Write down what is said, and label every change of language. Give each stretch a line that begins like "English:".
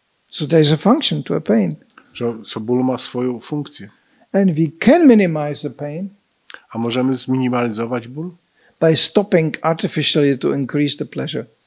English: So there's a function to a pain.
Polish: Co ból ma swoją funkcję.
English: And we can minimize the pain.
Polish: A możemy zminimalizować ból?
English: By stopping artificially to increase the pleasure.